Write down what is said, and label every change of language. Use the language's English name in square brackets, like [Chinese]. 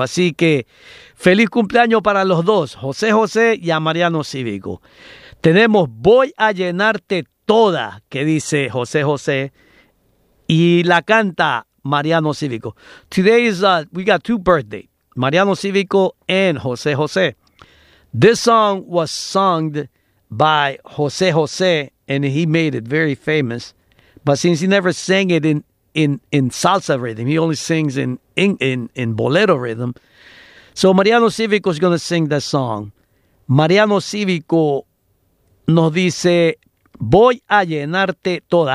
[Spanish] Así que feliz cumpleaños para los dos, José José y a Mariano Cívico. Tenemos Voy a llenarte toda, que dice José José, y la canta Mariano Cívico. [English] Today is, we got two birthdays, Mariano Cívico and José José. This song was sung by José José, and he made it very famous. But since he never sang it in salsa rhythm, he only sings in bolero rhythm. So Mariano Cívico is going to sing that song. [Spanish] Mariano Cívico nos dice, voy a llenarte toda.